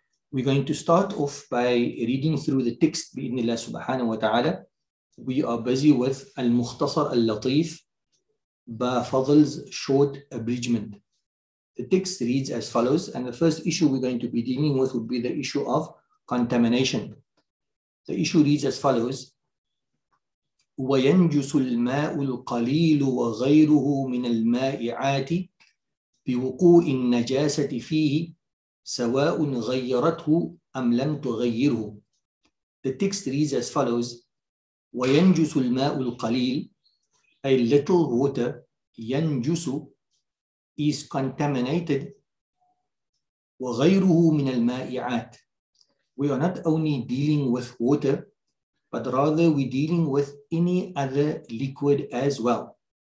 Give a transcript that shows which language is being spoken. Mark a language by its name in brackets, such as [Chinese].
[English] We're going to start off by reading through the text, bi'idhnillah subhanahu wa ta'ala. We are busy with al-mukhtasar al-latif, ba-fadl's short abridgment. The text reads as follows, and the first issue we're going to be dealing with would be the issue of contamination. The issue reads as follows: [Arabic] وَيَنْجُسُ الْمَاءُ الْقَلِيلُ وَغَيْرُهُ مِنَ الْمَائِعَاتِ بِوُقُوءِ النَّجَاسَةِ فِيهِ سَوَاءٌ غَيَّرَتْهُ أَمْ لَمْ تُغَيِّرْهُ. [English] The text reads as follows: [Arabic] وَيَنْجُسُ الْمَاءُ الْقَلِيلُ, [English] a little water, [Arabic] يَنْجُسُ, [English] is contaminated, [Arabic] وَغَيْرُهُ مِنَ الْمَائِعَاتِ. [English] We are not only dealing with water, but rather we're dealing with any other liquid as well.